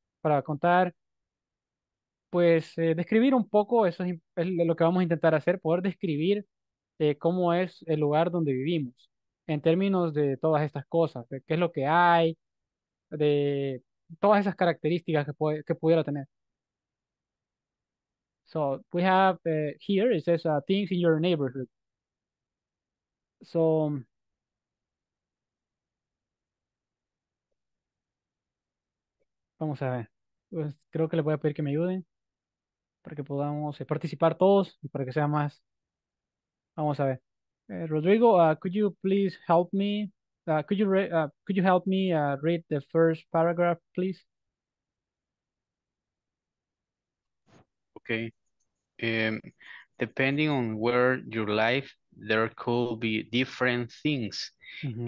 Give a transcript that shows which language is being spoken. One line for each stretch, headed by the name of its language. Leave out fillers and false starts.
Spanish: Para contar, pues, describir un poco, eso es lo que vamos a intentar hacer, poder describir cómo es el lugar donde vivimos en términos de todas estas cosas, de qué es lo que hay, de todas esas características que pudiera tener.
English: So we have here, it says things in your neighborhood.
Spanish: So vamos a ver, pues creo que le voy a pedir que me ayuden para que podamos participar todos y para que sea más. Vamos a ver.
English: Rodrigo, could you please help me? Could you help me read the first paragraph, please? Okay. Depending on where you live, there could be different things mm-hmm.